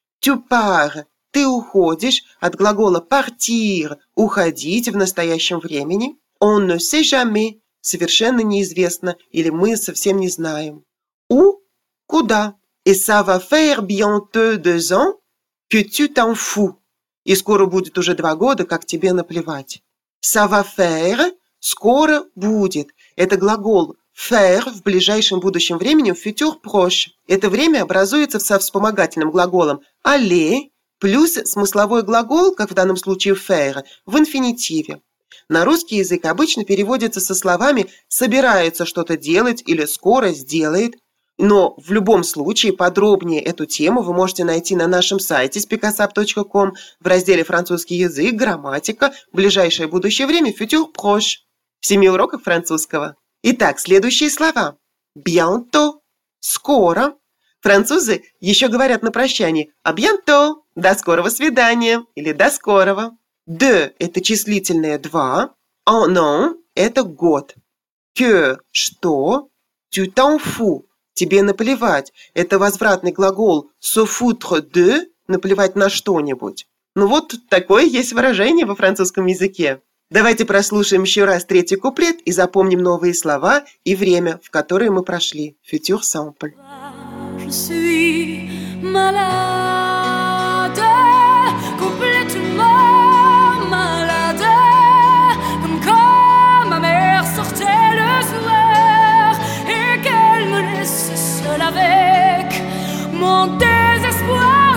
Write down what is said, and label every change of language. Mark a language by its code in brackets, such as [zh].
[fr] «Tu pars» [ru] – «ты уходишь» от глагола «partir» – «уходить» в настоящем времени. [fr] «On ne sait jamais» [ru] – «совершенно неизвестно» или «мы совсем не знаем». [fr] «Où» [ru] – «куда». [fr] «Et ça va faire bientôt deux ans que tu t'en fous» – [ru] «и скоро будет уже два года, как тебе наплевать». [fr] «Ça va faire» [ru] – «скоро будет» – это глагол «faire» в ближайшем будущем времени в [fr] «futur proche». [ru] Это время образуется со вспомогательным глаголом «aller» плюс смысловой глагол, как в данном случае «faire», в инфинитиве. На русский язык обычно переводится со словами «собирается что-то делать» или «скоро сделает». Но в любом случае подробнее эту тему вы можете найти на нашем сайте spicasap.com в разделе «Французский язык. Грамматика. Ближайшее будущее время. [fr] Futur proche». [ru] В 7 уроках французского. Итак, следующие слова. [fr] «Bientôt» [ru] – «скоро». Французы еще говорят на прощании [fr] «à bientôt» [ru] – «до скорого свидания» или «до скорого». «De» – это числительное «два», «en an» – это «год». «Que» – «что», [fr] «tu t'en fous» [ru] – «тебе наплевать». Это возвратный глагол [fr] «se foutre de» [ru] – «наплевать на что-нибудь». Ну вот такое есть выражение во французском языке. Давайте прослушаем еще раз третий куплет и запомним новые слова и время, в которое мы прошли. [fr] Futur simple. Je suis malade, complètement malade, comme quand ma mère sortait le soir et qu'elle me laisse seule avec mon désespoir.